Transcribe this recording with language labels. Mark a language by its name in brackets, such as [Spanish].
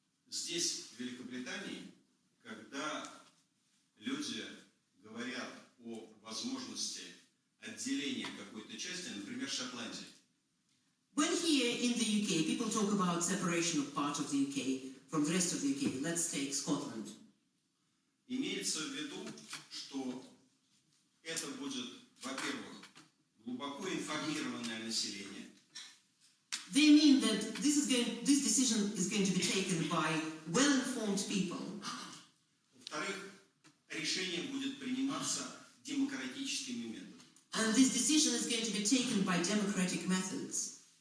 [Russian] Здесь, в Великобритании, когда люди говорят о возможности отделения какой-то части, например, Шотландии, [English] when here in the UK people talk about separation of part of the UK from the rest of the UK, let's take Scotland. [Russian] Имеется в виду, что это будет, во-первых, глубоко информированное население. [English] They mean that this decision is going to be taken by well-informed people. [Russian] Во-вторых, решение будет приниматься демократическими методами. [English] And this decision is going to be taken by democratic methods.